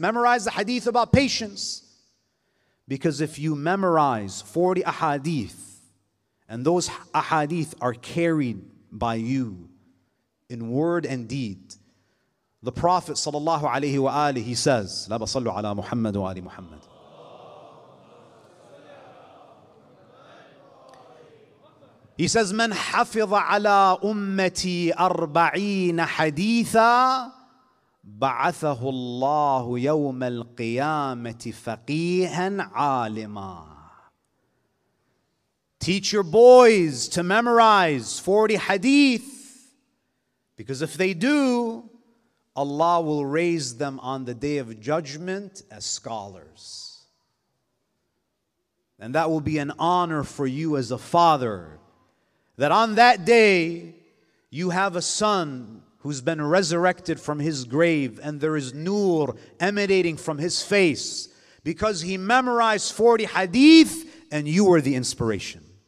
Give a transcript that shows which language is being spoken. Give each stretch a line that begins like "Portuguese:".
English: Memorize a hadith about patience. Because if you memorize 40 ahadith, and those ahadith are carried by you in word and deed, the Prophet sallallahu alayhi wa alihi says,
Arabic: لا بصلوا على محمد وآل محمد.
English: He says,
Arabic: من حفظ على أمتي 40 حديثا بعثه الله يوم القيامة فقيها عالما.
English: Teach your boys to memorize 40 hadith, because if they do, Allah will raise them on the day of judgment as scholars. And that will be an honor for you as a father, that on that day you have a son who's been resurrected from his grave, and there is nur emanating from his face because he memorized 40 hadith and you were the inspiration.